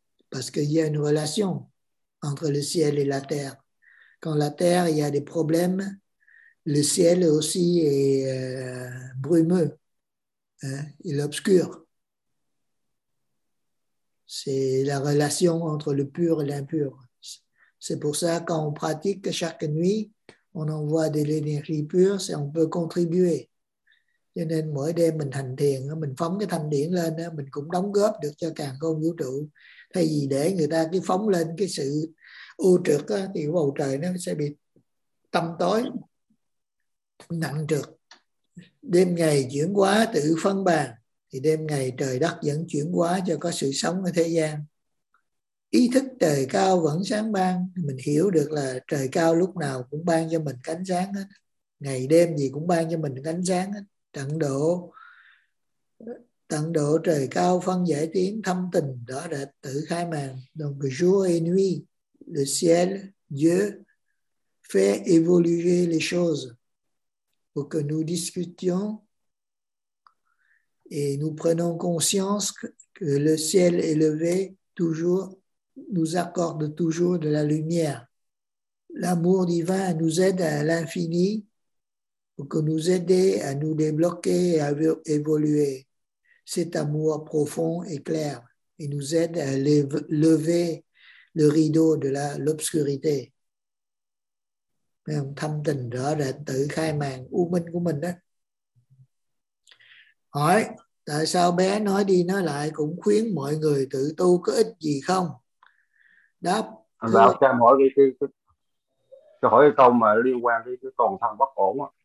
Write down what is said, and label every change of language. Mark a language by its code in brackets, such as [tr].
[fr] Parce qu'il y a une relation entre le ciel et la terre. Quand la terre, il y a des problèmes, le ciel aussi est brumeux. Il est obscur. C'est la relation entre le pur et l'impur. C'est pour ça quand on pratique chaque nuit, on envoie de l'énergie pure, on peut contribuer [vi] Cho nên mỗi đêm mình hành thiền, mình phóng cái thanh điển lên, mình cũng đóng góp được cho càn khôn vũ trụ. Thay vì để người ta cứ phóng lên cái sự ưu trượt thì bầu trời nó sẽ bị tâm tối, nặng trượt. Đêm ngày chuyển hóa tự phân bàn, thì đêm ngày trời đất vẫn chuyển hóa cho có sự sống ở thế gian. Ý thức trời cao vẫn sáng ban, mình hiểu được là trời cao lúc nào cũng ban cho mình ánh sáng hết. Ngày đêm gì cũng ban cho mình ánh sáng hết. Tận độ trời cao phân giải tiếng thâm tình đó là tự khai màn. [fr] Donc jour et nuit, le ciel, Dieu fait évoluer les choses pour que nous discutions et nous prenons conscience que le ciel élevé toujours nous accorde toujours de la lumière. L'amour divin nous aide à l'infini pour que nous aider à nous débloquer et à évoluer. Cet amour profond et clair, il nous aide à lever le rideau de l'obscurité. [vi] Thâm tình rõ rệt, tự khai màn u minh của mình đó. Hỏi, tại sao bé nói đi nói lại cũng khuyến mọi người tự tu có ích gì không? Đáp. Vào cho em hỏi cái hỏi câu mà liên quan đến cái còn thân bất ổn á.